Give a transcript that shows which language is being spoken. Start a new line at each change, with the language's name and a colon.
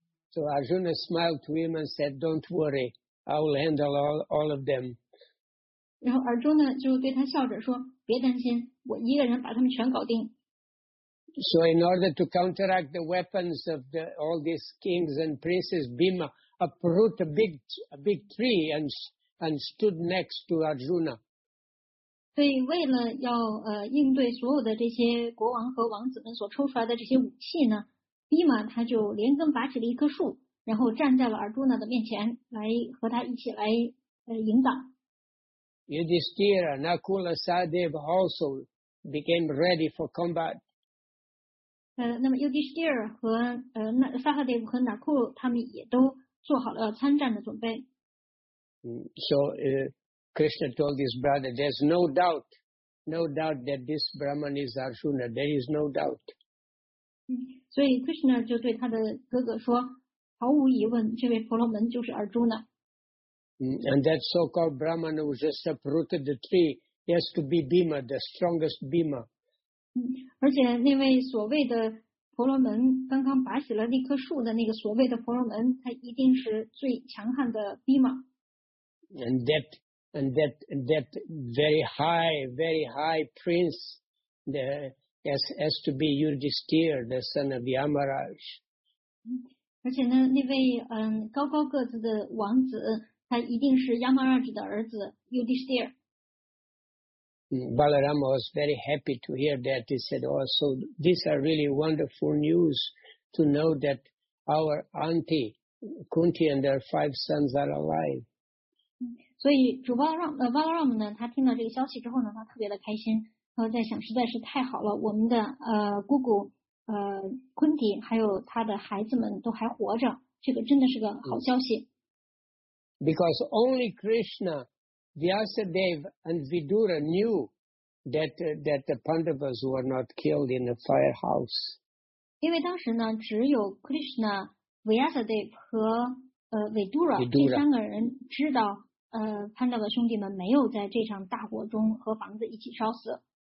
English: So Arjuna smiled to him and said, "Don't worry, I will handle all of them."
Chinese: 然后 Arjuna 就对他笑着说。别担心，我一个人把他们全搞定。
English: So in order to counteract the weapons of all these kings and princes, Bhima uprooted a big tree and stood next to Arjuna.
Chinese: 所以为了要应对所有的这些国王和王子们所抽出来的这些武器呢， Bhima 他就连根拔起了一棵树，然后站在了 Arjuna 的面前，来和他一起来迎挡。
English: Yudhishthira, Nakula, Sahadeva also became ready for combat.
Chinese: 那么 Yudhishthira 和 Sahadeva 和 Nakula 他们也都做好了参战的准备。
English: So Krishna told his brother, "There's no doubt that this Brahman is Arjuna. There is no doubt."
Chinese: 所以 Krishna 就对他的哥哥说，毫无疑问，这位婆罗门就是 Arjuna。
English: And that so-called Brahman who just uprooted the tree has to be Bhima, the strongest Bhima.
Chinese: 而且那位所谓的婆罗门刚刚拔起了那棵树的那个所谓的婆罗门，他一定是最强悍的 Bhima.
English: And that very high prince has to be Yudhishthira, the son of Yamaraj.
Chinese: 而且呢，那位高高个子的王子。他一定是 Yamaraj 的儿子 Yudhishthira.
English: Balarama was very happy to hear that. He said, "Oh, so these are really wonderful news to know that our auntie Kunti and her five sons are alive."
Chinese: 所以主 Balarama 呢，他听到这个消息之后呢，他特别的开心，他在想，实在是太好了，我们的姑姑Kunti 还有他的孩子们都还活着，这个真的是个好消息。
English: Because only Krishna, Vyasadeva, and Vidura knew that the Pandavas were not killed in the firehouse.
Chinese: 因为当时呢，只有 Krishna, Vyasadeva 和Vidura 这三个人知道Pandava 兄弟们没有在这场大火中和房子一起烧死。